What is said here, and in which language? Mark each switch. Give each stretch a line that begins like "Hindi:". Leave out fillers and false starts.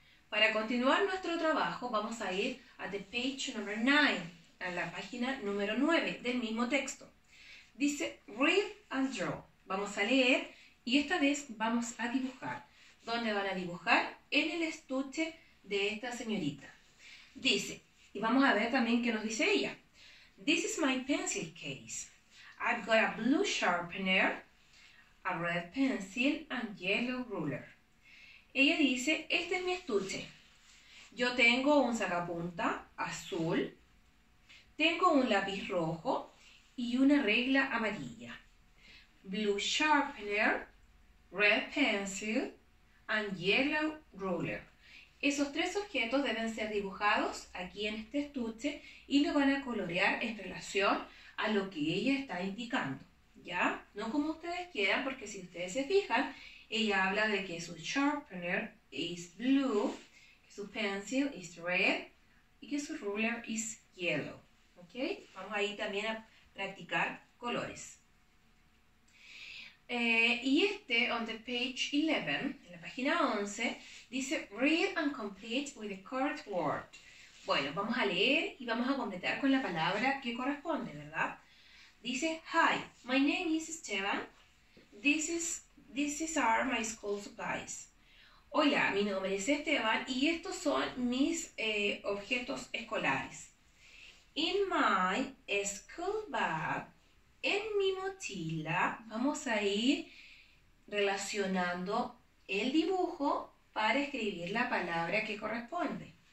Spanish: Para continuar nuestro trabajo, vamos a ir a
English: the page number 9,
Spanish: a la página número 9 del mismo texto. Dice
English: read and draw.
Spanish: Vamos a leer y esta vez vamos a dibujar. ¿Dónde van a dibujar? En el estuche de esta señorita. Dice, y vamos a ver también qué nos dice ella.
English: This is my pencil case. I've got a blue sharpener, a red pencil, and yellow ruler.
Spanish: Ella dice, este es mi estuche. Yo tengo un sacapunta azul, tengo un lápiz rojo y una regla amarilla.
English: Blue sharpener, red pencil, and yellow ruler.
Spanish: Esos tres objetos deben ser dibujados aquí en este estuche y lo van a colorear en relación a lo que ella está indicando, ¿ya? No como ustedes quieran, porque si ustedes se fijan, ella habla de que su
English: sharpener is blue,
Spanish: que su
English: pencil is red
Spanish: y que su
English: ruler is yellow,
Spanish: ¿ok? Vamos ahí también a practicar colores. Y este,
English: on the page 11,
Spanish: en la página 11, dice
English: read and complete with the correct word.
Spanish: Bueno, vamos a leer y vamos a completar con la palabra que corresponde, ¿verdad? Dice,
English: hi, my name is Esteban. These are my school supplies.
Spanish: Hola, mi nombre es Esteban y estos son mis objetos escolares.
English: In my school bag.
Spanish: En mi mochila vamos a ir relacionando el dibujo para escribir la palabra que corresponde.